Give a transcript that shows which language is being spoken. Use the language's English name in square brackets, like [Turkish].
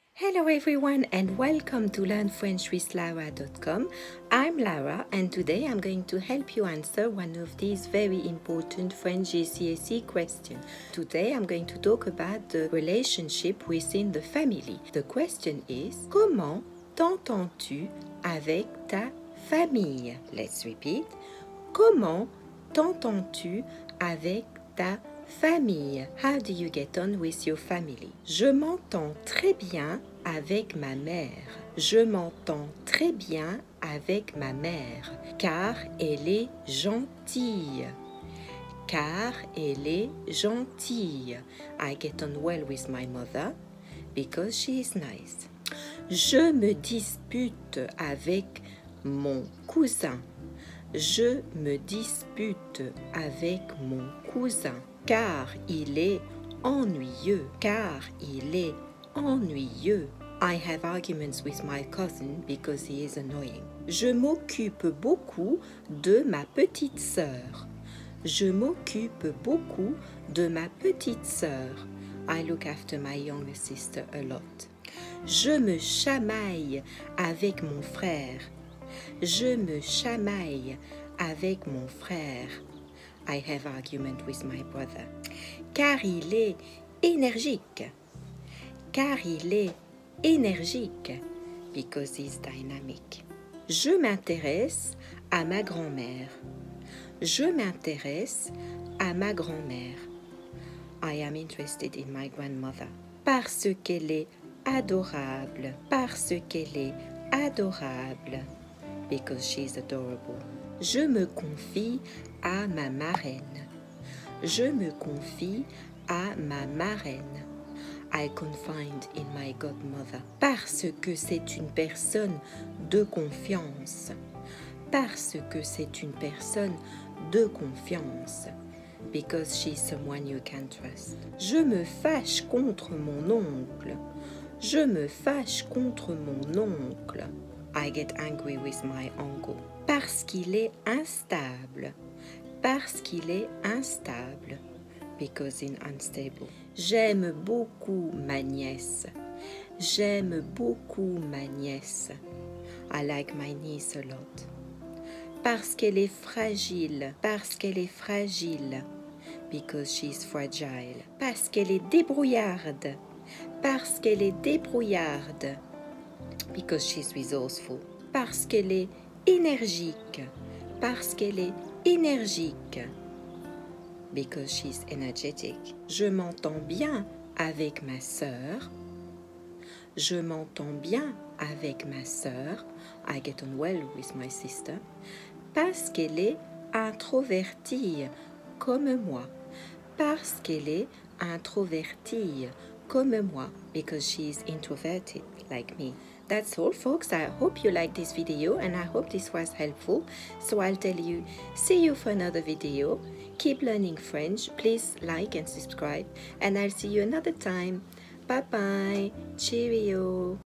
[English] Hello everyone and welcome to LearnFrenchWithLara.com. I'm Lara and today I'm going to help you answer one of these very important French GCSE questions. Today I'm going to talk about the relationship within the family. The question is, [French] comment t'entends-tu avec ta famille? [English] Let's repeat. [French] Comment t'entends-tu avec ta famille? [English] How do you get on with your family? [French] Je m'entends très bien avec ma mère. Je m'entends très bien avec ma mère, car elle est gentille. Car elle est gentille. [English] I get on well with my mother because she is nice. [French] Je me dispute avec mon cousin. Je me dispute avec mon cousin, car il est ennuyeux. Car il est ennuyeux. [English] I have arguments with my cousin because he is annoying. [French] Je m'occupe beaucoup de ma petite sœur. Je m'occupe beaucoup de ma petite sœur. [English] I look after my younger sister a lot. [French] Je me chamaille avec mon frère. Je me chamaille avec mon frère. [English] I have argument with my brother. [French] Car il est énergique. Car il est énergique. [English] Because he's dynamic. [French] Je m'intéresse à ma grand-mère. Je m'intéresse à ma grand-mère. [English] I am interested in my grandmother. [French] Parce qu'elle est adorable. Parce qu'elle est adorable. [English] Because she's adorable. [French] Je me confie à ma marraine. Je me confie à ma marraine. [English] I confide in my godmother. [French] Parce que c'est une personne de confiance. Parce que c'est une personne de confiance. [English] Because she's someone you can trust. [French] Je me fâche contre mon oncle. Je me fâche contre mon oncle. [English] I get angry with my uncle. [French] Parce qu'il est instable. Parce qu'il est instable. [English] Because he's unstable. [French] J'aime beaucoup ma nièce. J'aime beaucoup ma nièce. [English] I like my niece a lot. [French] Parce qu'elle est fragile. Parce qu'elle est fragile. [English] Because she's fragile. [French] Parce qu'elle est débrouillarde. Parce qu'elle est débrouillarde. [English] Because she's resourceful. [French] Parce qu'elle est énergique. Parce qu'elle est énergique. [English] Because she's energetic. [French] Je m'entends bien avec ma sœur. Je m'entends bien avec ma sœur. [English] I get on well with my sister. [French] Parce qu'elle est introvertie comme moi. Parce qu'elle est introvertie comme moi. [English] Because she's introverted like me. That's all, folks. I hope you liked this video and I hope this was helpful. So I'll tell you, see you for another video. Keep learning French. Please like and subscribe. And I'll see you another time. Bye-bye. Cheerio.